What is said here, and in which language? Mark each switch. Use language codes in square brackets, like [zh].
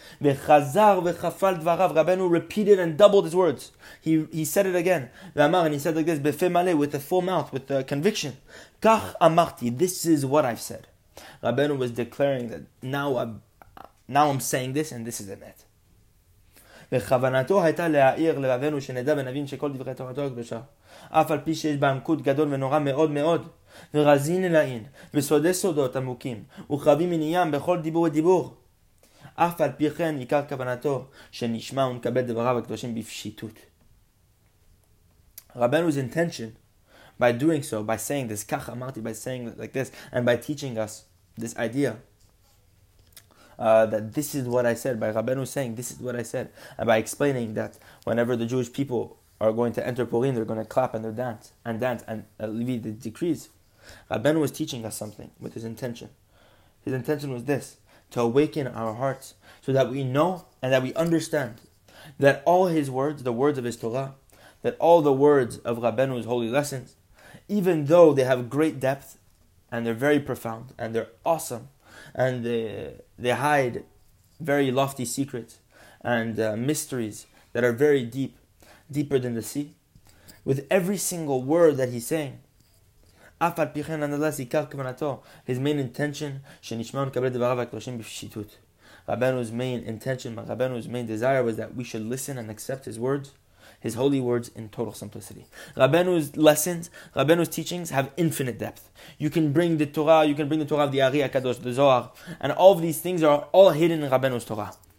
[en] Rabbeinu repeated and doubled his words. He said it again. And he said like this, "Befe male," with a full mouth, with a conviction. "Kach amarti," this is what I've said. Rabbeinu was declaring that now I'm saying this, and this is it. [he] וכוונתו הייתה להעיר לבבנו שנדע ונבין שכל דברי תורתו הקדושה, אף על פי שיש בעמקות גדול ונורא מאוד מאוד, ורזין אלעין, וסודי סודות עמוקים, וחרבים מניים בכל דיבור ודיבור. אף על פי כן עיקר כוונתו שנשמע ונקבל דבריו הקדושים בפשיטות. [en] רבנו's intention, by doing so, by saying this, [he] כך אמרתי, [en] by saying like this, and by teaching us this idea, that this is what I said, by Rabbeinu saying, this is what I said, and by explaining that whenever the Jewish people are going to enter Purim, they're going to clap and they'll dance, and alleviate the decrees. Rabbeinu was teaching us something with his intention. His intention was this, to awaken our hearts so that we know and that we understand that all his words, the words of his Torah, that all the words of Rabbeinu's holy lessons, even though they have great depth, and they're very profound, and they're awesome, and they hide very lofty secrets and mysteries that are very deep, deeper than the sea. With every single word that he's saying, [he] אף על פי כן נדלס עיקר כוונתו, [en] his main intention, [he] שנשמע ונקבל דבריו הקדושים בפשיטות. [en] Rabbeinu's main intention, Rabbeinu's main desire was that we should listen and accept his words, his holy words in total simplicity. Rabbeinu's lessons, Rabbeinu's teachings have infinite depth. You can bring the Torah, you can bring the Torah of the Ari HaKadosh, the Zohar, and all of these things are all hidden in Rabbeinu's Torah.